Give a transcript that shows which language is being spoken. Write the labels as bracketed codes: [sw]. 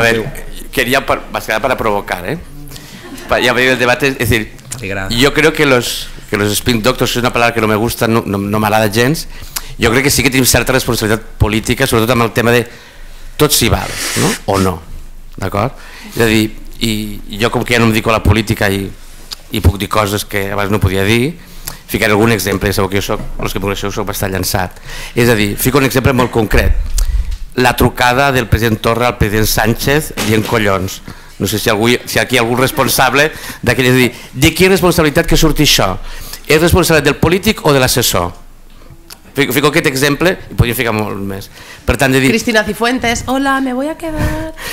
[es] a ver, tiempo. Quería para provocar, para abrir el debate, es decir, yo creo que los spin doctors, es una palabra que no me gusta, no me agrada [ca] gens, [es] yo creo que sí que tienen cierta responsabilidad política, sobre todo con el tema de [ca] tot si val, [es] no? [ca] O no, d'acord? És a dir, i jo com que ja no em dedico a la política i puc dir coses que abans no podia dir, ficaré algun exemple, sabeu que jo soc, els que m'ho deixeu, soc bastant llançat. És a dir, fico un exemple molt concret, la trucada del president Torra al president Sánchez dient collons. No sé si aquí hi ha algun responsable d'aquell, és a dir, de quina responsabilitat que surti això? És responsabilitat del polític o de l'assessor? Fico aquest exemple i podria ficar molt més. Per tant, dir, [es] Cristina Cifuentes, hola, me voy a quedar.